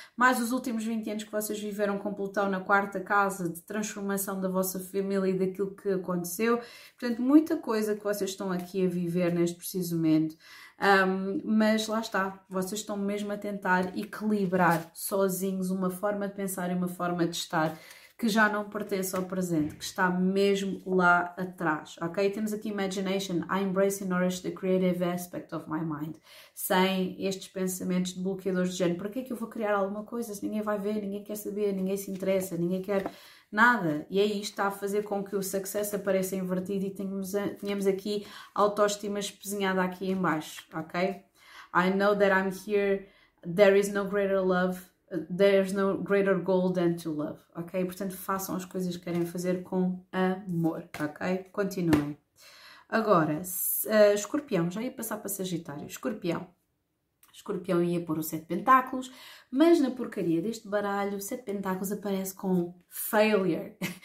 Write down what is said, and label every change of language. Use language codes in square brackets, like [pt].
[pt] Mas os últimos 20 anos que vocês viveram com Plutão na quarta casa de transformação da vossa família e daquilo que aconteceu, portanto, muita coisa que vocês estão aqui a viver neste preciso momento. Mas lá está, vocês estão mesmo a tentar equilibrar sozinhos uma forma de pensar e uma forma de estar que já não pertence ao presente, que está mesmo lá atrás, ok? Temos aqui [en] imagination, I embrace and nourish the creative aspect of my mind. [pt] Sem estes pensamentos de bloqueadores de género, para que é que eu vou criar alguma coisa se ninguém vai ver, ninguém quer saber, ninguém se interessa, ninguém quer nada. E é isto que está a fazer com que o sucesso apareça invertido e tenhamos aqui autoestima espezinhada aqui em baixo, ok? [en] I know that I'm here, there is no greater love, there's no greater goal than to love, ok? [pt] Portanto, façam as coisas que querem fazer com amor, ok? Continuem. Agora, escorpião, já ia passar para Sagitário, escorpião. Escorpião ia pôr o sete pentáculos, mas na porcaria deste baralho, o sete pentáculos aparece com failure.